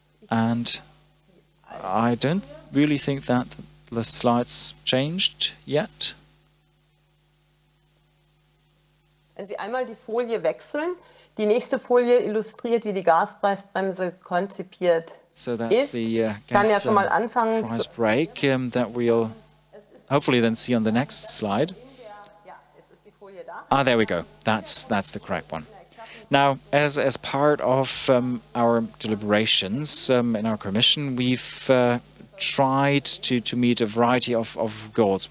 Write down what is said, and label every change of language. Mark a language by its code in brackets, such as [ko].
[en] And I don't really think that the slides changed yet. [de] Wenn Sie einmal die Folie wechseln, die nächste Folie illustriert, wie die Gaspreisbremse konzipiert ist. [en] So that's the gas price break that we'll hopefully then see on the next slide. Ah, there we go. That's the correct one. Now, as part of our deliberations in our commission, we've tried to meet a variety of goals.